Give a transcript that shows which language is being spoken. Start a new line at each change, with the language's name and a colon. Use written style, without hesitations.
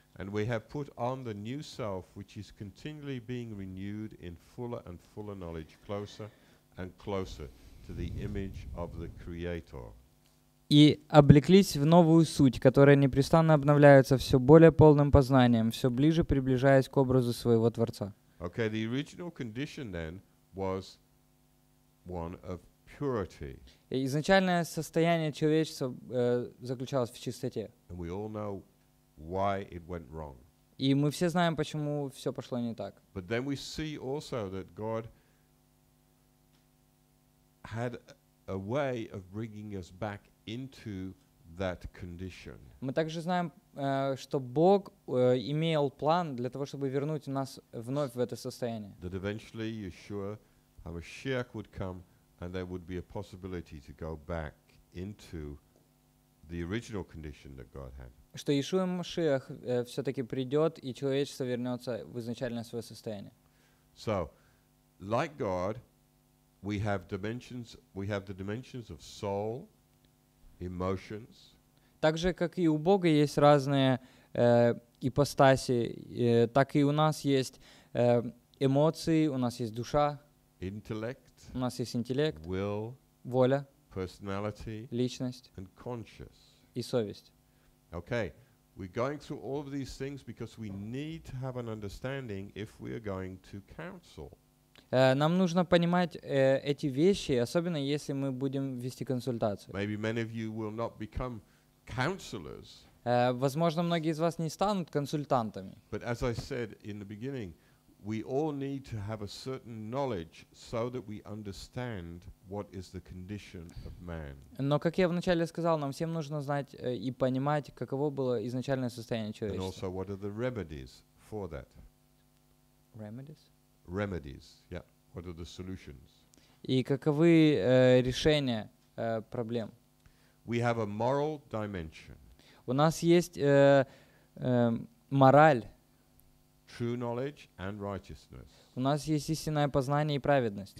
English: And we have put on the new self, which is continually being renewed in fuller and fuller knowledge, closer and closer to the image of the Creator.
Russian: И облеклись в новую суть, которая непрестанно обновляется все более полным познанием, все ближе приближаясь к образу своего Творца.
English: Okay, the original condition then was one of purity.
Russian: Изначальное состояние человечества заключалось в чистоте.
English: And we all know why it went wrong.
Russian: И мы все знаем, почему все пошло не так.
English: But then we see also that God had a way of bringing us back into that condition.
Russian: Мы также знаем, что Бог имел план для того, чтобы вернуть нас вновь в это состояние.
English: That eventually Yeshua HaMashiach would come and there would be a possibility to go back into the original condition that God had.
Russian: Что Иешуа Машиах все-таки придет, и человечество вернется в изначальное свое состояние.
English: So, like God, we have dimensions, we have the dimensions of soul, emotions.
Russian: Также, как и у Бога есть разные ипостаси, так и у нас есть эмоции, у нас есть душа,
English: intellect,
Russian: у нас есть интеллект,
English: will,
Russian: воля,
English: personality,
Russian: личность
English: and conscience.
Russian: И совесть.
English: Okay, we're going through all of these things because we need to have an understanding if we are going to counsel.
Russian: Нам нужно понимать эти вещи, особенно если мы будем вести консультацию.
English: Maybe many of you will not become counselors.
Russian: Возможно, многие из вас не станут консультантами.
English: But as I said in the beginning, we all need to have a certain knowledge so that we understand what is the condition of man.
Russian: Но как я вначале сказал, нам всем нужно знать и понимать, каково было изначальное состояние человечества.
English: And also what are the remedies for that? Remedies? Remedies, yeah. What are the solutions?
Russian: И каковы решения проблем?
English: We have a moral dimension.
Russian: У нас есть мораль.
English: True knowledge and righteousness.
Russian: У нас есть истинное познание и праведность.